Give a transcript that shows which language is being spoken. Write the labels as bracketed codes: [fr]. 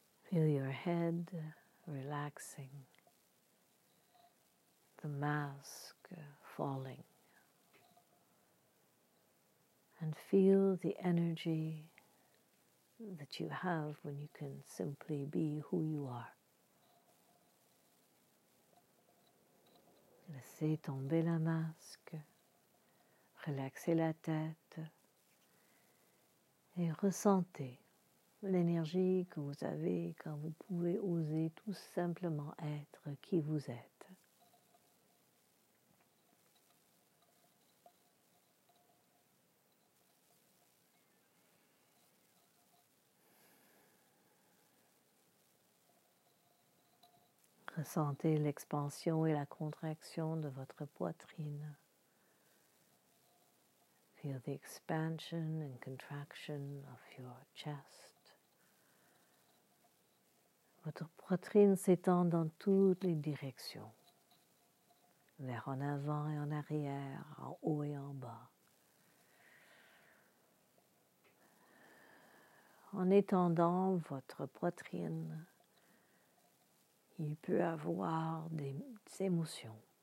[en] Feel your head relaxing, the mask falling, and feel the energy that you have when you can simply be who you are. [fr] Laissez tomber la masque, relaxez la tête et ressentez l'énergie que vous avez quand vous pouvez oser tout simplement être qui vous êtes. Ressentez l'expansion et la contraction de votre poitrine. [en] Feel the expansion and contraction of your chest. [fr] Votre poitrine s'étend dans toutes les directions, vers en avant et en arrière, en haut et en bas. En étendant votre poitrine, il peut avoir des émotions.